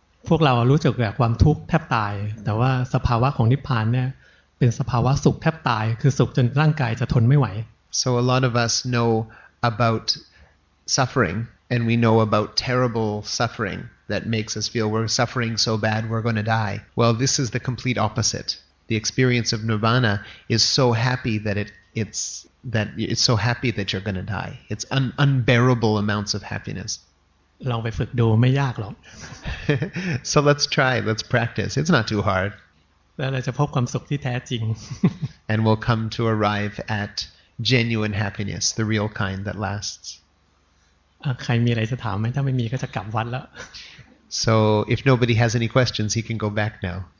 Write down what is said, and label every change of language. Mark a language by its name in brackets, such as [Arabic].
[Thai] พวกเรารู้จักแก่ความทุกข์แทบตายแต่ว่าสภาวะของนิพพานเนี่ยเป็นสภาวะสุขแทบตายคือสุขจนร่างกายจะทนไม่ไหว [English] So a lot of us know about suffering and we know about terrible suffering that makes us feel we're suffering so bad we're going to die. Well, this is the complete opposite. The experience of nirvana is so happy that it's so happy that you're going to die. It's unbearable amounts of happiness. [Thai] ลองไปฝึกดูไม่ยากหรอก [English] So let's try, let's practice. It's not too hard. [Thai] แล้วเราจะพบความสุขที่แท้จริง [English] And we'll come to arrive at genuine happiness, the real kind that lasts. [Thai] ใครมีอะไรจะถามไหมถ้าไม่มีก็จะกลับวัดแล้ว [English] So if nobody has any questions, he can go back now.